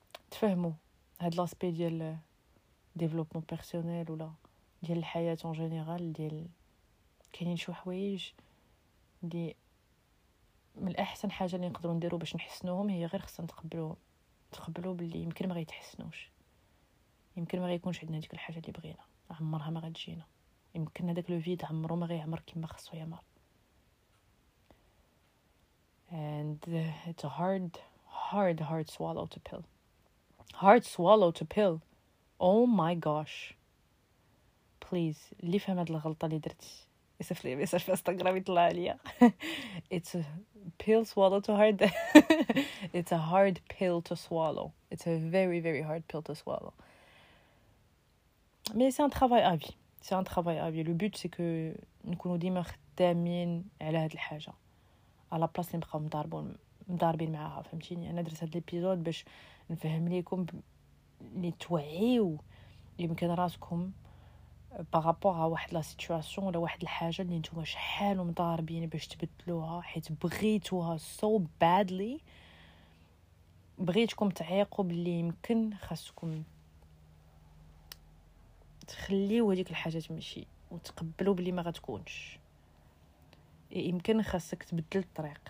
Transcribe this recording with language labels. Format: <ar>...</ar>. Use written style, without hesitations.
<ar>تفهموا هاد لاسبي ديال ديفلوبمون بيرسونيل ولا ديال الحياه اون جينيرال ديال كاينين شي حوايج دي من الاحسن حاجه اللي نقدروا نديروا باش نحسنوهم هي غير خصنا نتقبلوا باللي يمكن ما غيتحسنوش يمكن ما غيكونش عندنا ديك الحاجه اللي بغينا عمرها ما غتجينا يمكن هذاك لو فيد عمرو ما غيعمر كما خصو يعمر.</ar> <en>And it's a hard swallow to pill. Hard swallow to pill. Oh my gosh.</en> <ar>Please, اللي فهم هاد الغلطة اللي درت يصيف لي ميساج في انستغرام يطلع عليا.</ar> <en>It's a pill swallow to hard. It's a hard pill to swallow. It's a very very hard pill to swallow.</en> <fr>Mais c'est un travail à vie. C'est un travail à vie. Le but c'est que</fr> <ar>نكونوا ديما خدامين على هاد الحاجة. على بلاص اللي بقاو مضاربين معاها فهمتيني. انا درت هاد ليبيزود باش نفهم ليكم لي توعيو يمكن راسكم بارابور ا واحد لا سيتواسيون ولا واحد الحاجه اللي نتوما شحال ومضاربين باش تبدلوها حيت بغيتوها</ar> <en>سو بادلي</en> <ar>بغيتكم تعيقوا باللي يمكن خاصكم تخليوا هذيك الحاجه تمشي وتقبلوا باللي ما غتكونش يمكن خاصك تبدل الطريق.</ar>